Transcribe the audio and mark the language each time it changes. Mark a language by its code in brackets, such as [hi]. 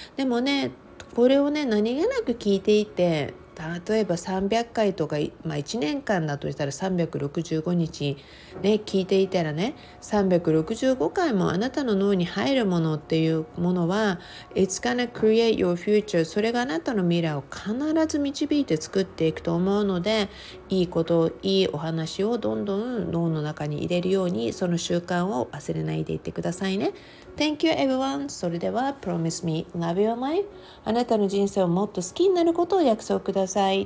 [ja] でもね、これをね、何気なく聞いていて、例えば300回とか、1年間だとしたら365日、聞いていたらね、365回もあなたの脳に入るものっていうものは [en] It's gonna create your future。 [ja] それがあなたの未来を必ず導いて作っていくと思うので、いいこと、いいお話をどんどん脳の中に入れるように、その習慣を忘れないでいってくださいね。 [en] Thank you everyone。 [ja] それでは [en] Promise me love your life。 [ja] あなたの人生をもっと好きになることを約束ください。